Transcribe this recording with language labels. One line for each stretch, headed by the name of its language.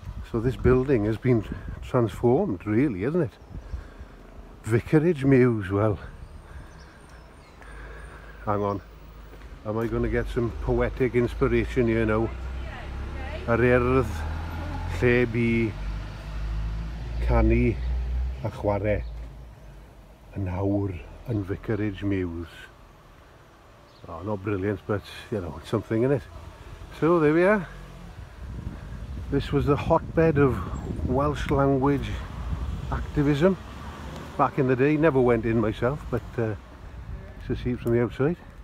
English: So this building has been transformed, really, isn't it? Vicarage Mews, well. Hang on. Am I going to get some poetic inspiration here now?
Welsh: Yr urdd lle bu canu a chwarae yn awr yn Vicarage Mews.
English: Oh, not brilliant, but, you know, it's something, innit? So there we are. This was the hotbed of Welsh language activism back in the day. Never went in myself, but to see it from the outside.